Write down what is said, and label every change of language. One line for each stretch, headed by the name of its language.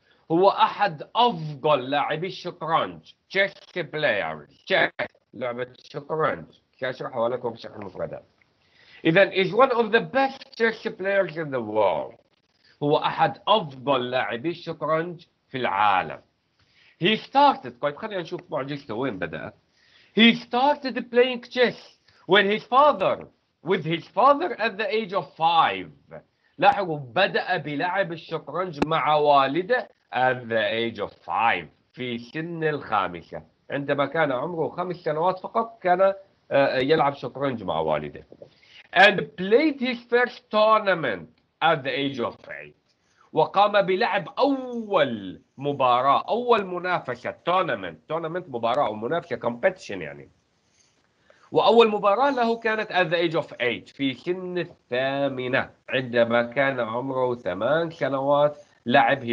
Arabic: هو أحد أفضل لاعبي الشطرنج,
English: chess players, chess,
Arabic: لعبة الشطرنج, سأشرح لكم شرح المفردات.
English: إذن is one of the best chess players in the world,
Arabic: هو أحد أفضل لاعبي الشطرنج في العالم.
English: He started,
Arabic: طيب خلينا نشوف معجزته وين بدأ.
English: He started playing chess when his father, with his father at the age of 5.
Arabic: لاحظوا بدأ بلعب الشطرنج مع والده
English: at the age of 5,
Arabic: في سن الخامسة, عندما كان عمره 5 سنوات فقط كان يلعب شطرنج مع والده.
English: And played his first tournament at the age of 8.
Arabic: وقام بلعب أول مباراة, أول منافسة,
English: tournament, tournament
Arabic: مباراة أو منافسة,
English: competition
Arabic: يعني. وأول مباراة له كانت
English: at the age of 8,
Arabic: في سن الثامنة, عندما كان عمره 8 سنوات لعب.